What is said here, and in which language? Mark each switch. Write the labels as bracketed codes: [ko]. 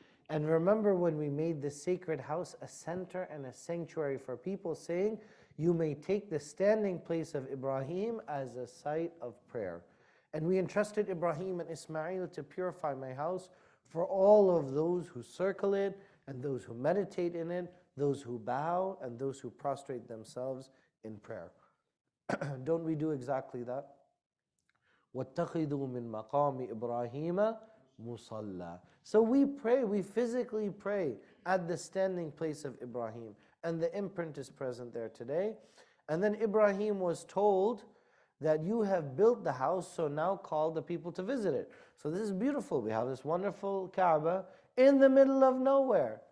[en] And remember when we made the sacred house a center and a sanctuary for people, saying, you may take the standing place of Ibrahim as a site of prayer. And we entrusted Ibrahim and Ismail to purify my house for all of those who circle it and those who meditate in it, those who bow and those who prostrate themselves in prayer. Don't we do exactly that? [ar] وَاتَّخِذُوا مِنْ مَقَامِ إِبْرَاهِيمَ Musalla. [en] So we pray, we physically pray at the standing place of Ibrahim, and the imprint is present there today. And then Ibrahim was told that you have built the house, so now call the people to visit it. So this is beautiful. We have this wonderful Kaaba in the middle of nowhere.